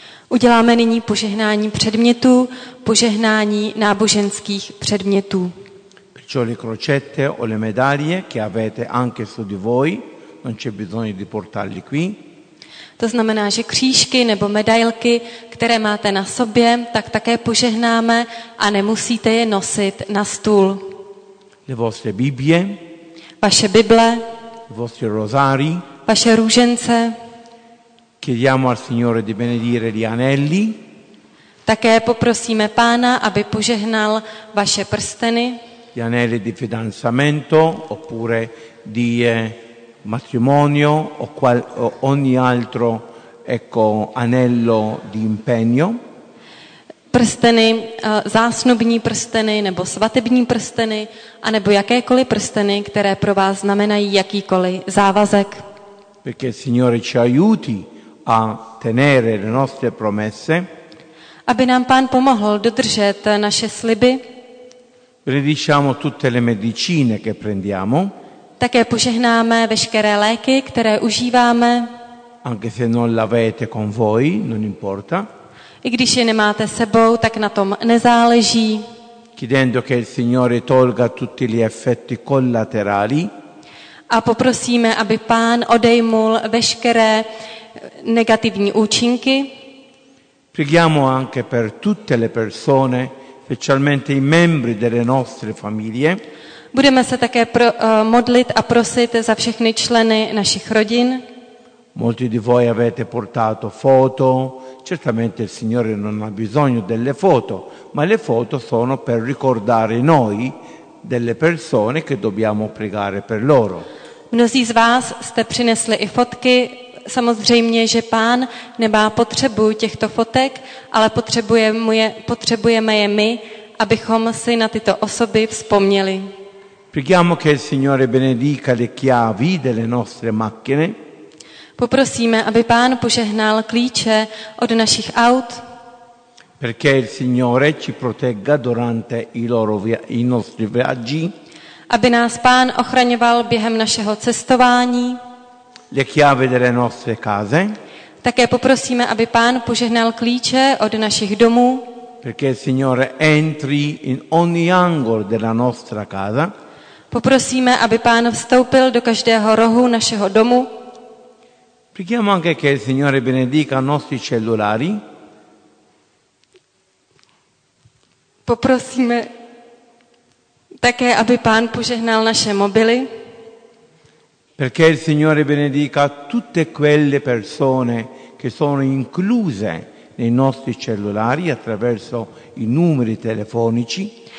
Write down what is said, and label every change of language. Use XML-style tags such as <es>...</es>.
<cs>Uděláme nyní požehnání předmětů, požehnání náboženských předmětů.</cs> <it>Perciò le crocette o le medaglie che avete anche su di voi, non c'è bisogno di portarli qui.</it> <cs>To znamená, že křížky nebo medailky, které máte na sobě, tak také požehnáme a nemusíte je nosit na stůl.</cs> <it>Le vostre Bibbie.</it> <cs>Vaše Bible.</cs> <it>Vostri rosari.</it> <cs>Vaše růžence.</cs> <it>Chiediamo al Signore di benedire gli anelli.</it> <cs>Také poprosíme Pána, aby požehnal vaše prsteny.</cs> <it>Gli anelli di fidanzamento oppure di matrimonio o qual o ogni altro ecco anello di impegno.</it> <cs>Prsteny, zásnubní prsteny nebo svatební prsteny a nebo jakékoliv prsteny, které pro vás znamenají jakýkoliv závazek.</cs> <it>Perché il Signore ci aiuti a tenere le nostre promesse.</it> <cs>Aby nám Pán pomohl dodržet naše sliby.</cs> <it>Benediciamo tutte le medicine che prendiamo.</it> <cs>Také požehnáme veškeré léky, které užíváme.</cs> <it>Anche se non l'avete con voi, non importa.</it> <cs>I když je nemáte sebou, tak na tom nezáleží.</cs> <it>Chiedendo che il Signore tolga tutti gli effetti collaterali.</it> <cs>A poprosíme, aby Pán odejmul veškeré negativní účinky.</cs> <it>Preghiamo anche per tutte le persone, specialmente i membri delle nostre famiglie.</it> <cs>Budeme se také modlit a prosit za všechny členy našich rodin.</cs> <it>Molti di voi avete portato foto. Certamente il Signore non ha bisogno delle foto, ma le foto sono per ricordare noi delle persone che dobbiamo pregare per loro.</it> <cs>Mnozí z vás jste přinesli i fotky. Samozřejmě, že Pán nemá potřebu těchto fotek, ale potřebujeme je my, abychom si na tyto osoby vzpomněli.</cs> <it>Preghiamo che il Signore benedica le chiavi delle nostre macchine.</it> <cs>Poprosíme, aby Pán požehnal klíče od našich aut.</cs> <it>Perché il Signore ci protegga durante i nostri viaggi.</it> <cs>Aby nás Pán ochraňoval během našeho cestování.</cs> <it>Le chiavi delle nostre case.</it> <cs>Také poprosíme, aby Pán požehnal klíče od našich domů.</cs> <it>Perché il Signore entri in ogni angolo della nostra casa.</it> <cs>Poprosíme, aby Pán vstoupil do každého rohu našeho domu.</cs> <it>Preghiamo anche che il Signore benedica i nostri cellulari.</it> <cs>Poprosíme také, aby Pán požehnal naše mobily.</cs> <it>Perché il Signore benedica tutte quelle persone che sono incluse nei nostri cellulari attraverso i numeri telefonici.</it>